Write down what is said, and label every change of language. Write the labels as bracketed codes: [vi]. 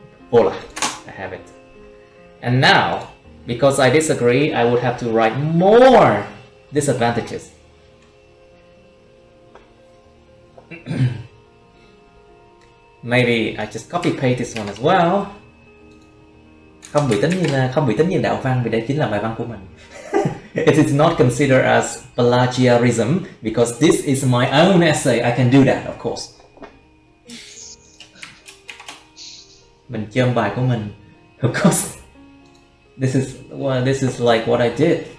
[en] Voila, I have it. And now, because I disagree, I would have to write more disadvantages. Maybe I just copy paste this one as well. [vi] Không bị tính như là, không bị tính như đạo văn vì đây chính là bài văn của mình. [en] It is not considered as plagiarism because this is my own essay. I can do that, of course. [vi] Mình chơm bài của mình. [en] Of course. This is well, this is like what I did.